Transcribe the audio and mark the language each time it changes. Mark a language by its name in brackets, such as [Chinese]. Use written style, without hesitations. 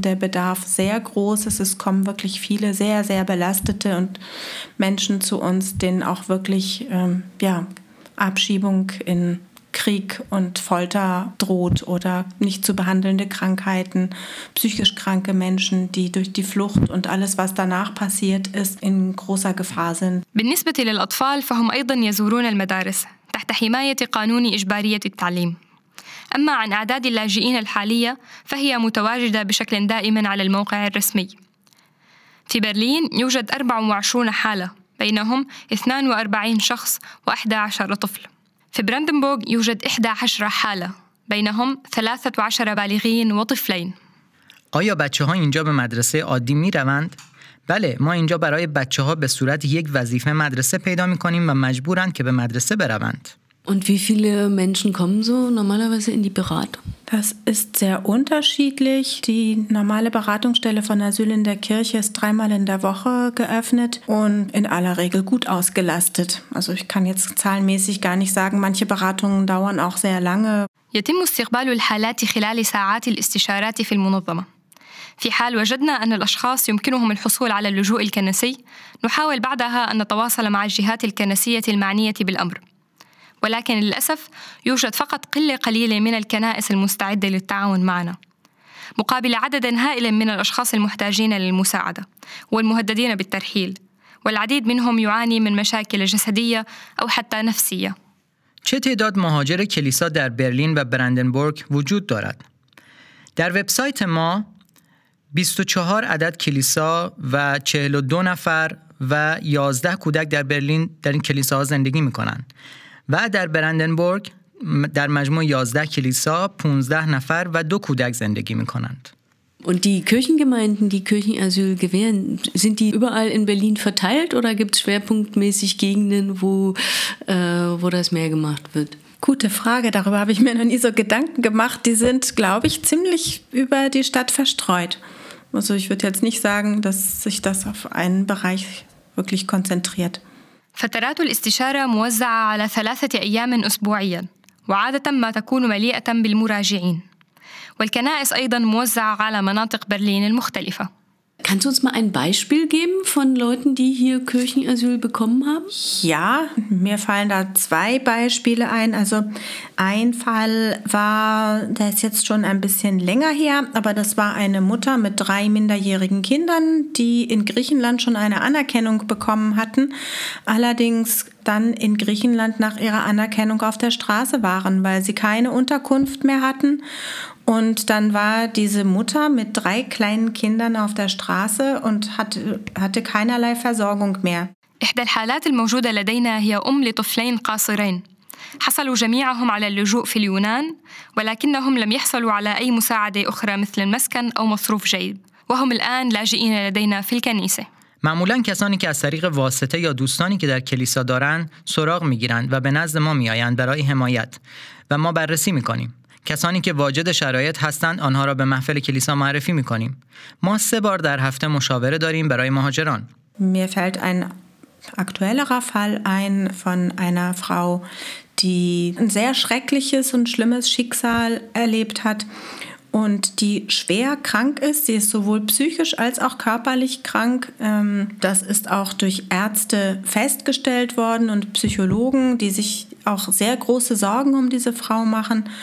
[German] Der Bedarf ist sehr groß. Es kommen wirklich viele sehr, sehr belastete und Menschen zu uns, denen auch wirklich Abschiebung in Krieg und Folter droht oder nicht zu behandelnde Krankheiten, psychisch kranke Menschen, die durch die Flucht und alles, was danach passiert ist, in großer Gefahr sind. [Arabic] بالنسبة للأطفال فهم أيضا يزورون المدارس تحت حماية قانون إجبارية التعليم. أما عن أعداد اللاجئين الحالية فهي متواجدة بشكل دائم على الموقع الرسمي. في برلين يوجد 24 حالة، بينهم 42 شخص و11 طفل. في براندنبورغ يوجد 11 حالة بينهم 13 بالغين وطفلين. [Persian] آیا بچه ها اینجا به مدرسه عادی می روند؟ بله، ما اینجا برای بچه ها به صورت یک وظیفه مدرسه پیدا می کنیم و مجبورند که به مدرسه بروند. [German] Und wie viele Menschen kommen so normalerweise in die Beratung? Das ist sehr unterschiedlich. Die normale Beratungsstelle von Asyl in der Kirche ist 3-mal in der Woche geöffnet und in aller Regel gut ausgelastet. Also ich kann jetzt zahlenmäßig gar nicht sagen, manche Beratungen dauern auch sehr lange. [Arabic] يتم استقبال الحالات خلال ساعات الاستشارات في المنظمة. في حال وجدنا أن الأشخاص يمكنهم الحصول على اللجوء الكنسي، نحاول بعدها أن نتواصل مع الجهات الكنسية المعنية بالأمر. ولكن للأسف يوجد فقط قلة قليلة من الكنائس المستعدة للتعاون معنا مقابل عدد هائل من الأشخاص المحتاجين للمساعدة والمهددين بالترحيل والعديد منهم يعاني من مشاكل جسدية أو حتى نفسية. [Persian] چه تعداد مهاجر کلیسا در برلین و براندنبورگ وجود دارد؟ در وبسایت ما 24 عدد کلیسا و 42 نفر و 11 کودک در برلین در این کلیسا زندگی می‌کنند. و در براندنبورگ در مجموع 11 کلیسا 15 نفر و 2 کودک زندگی می‌کنند. [German] Und die Kirchengemeinden, die Kirchenasyl gewähren, sind die überall in Berlin verteilt oder gibt es schwerpunktmäßig Gegenden, wo das mehr gemacht wird? Gute Frage, darüber habe ich mir noch nie so Gedanken gemacht. Die sind, glaube ich, ziemlich über die Stadt verstreut. Also ich würde jetzt nicht sagen, dass sich das auf einen Bereich wirklich konzentriert. [Arabic] فترات الاستشارة موزعة على 3 أيام أسبوعياً وعادة ما تكون مليئة بالمراجعين والكنائس أيضاً موزعة على مناطق برلين المختلفة. [German] Kannst du uns mal ein Beispiel geben von Leuten, die hier Kirchenasyl bekommen haben? Ja, mir fallen da 2 Beispiele ein. Also ein Fall war, der ist jetzt schon ein bisschen länger her, aber das war eine Mutter mit 3 minderjährigen Kindern, die in Griechenland schon eine Anerkennung bekommen hatten, allerdings dann in Griechenland nach ihrer Anerkennung auf der Straße waren, weil sie keine Unterkunft mehr hatten. Und dann war diese Mutter mit 3 kleinen Kindern auf der Straße und hatte keinerlei Versorgung mehr. [Arabic] إحدى الحالات الموجودة لدينا هي أم لطفلين قاصرين. حصلوا جميعهم على اللجوء في اليونان، ولكنهم لم يحصلوا على أي مساعدة أخرى مثل المسكن أو مصروف جيد. وهم الآن لاجئين لدينا في الكنيسة. [Persian] معمولاً کسانی که از طریق واسطه یا دوستانی که در کلیسا دارند سراغ می‌گیرند و به نزد ما می‌آیند برای حمایت و ما بررسی می‌کنیم. کسانی که واجد شرایط هستند آنها را به محفل کلیسا معرفی می‌کنیم. ما 3 بار در هفته مشاوره داریم برای مهاجران. [German] Mir fällt ein aktuellerer Fall ein von einer Frau, die ein sehr schreckliches und schlimmes Schicksal erlebt hat und die schwer krank ist. Sie ist sowohl psychisch als auch körperlich krank. Das ist auch durch Ärzte festgestellt worden und Psychologen, die sich auch sehr große Sorgen um diese Frau machen.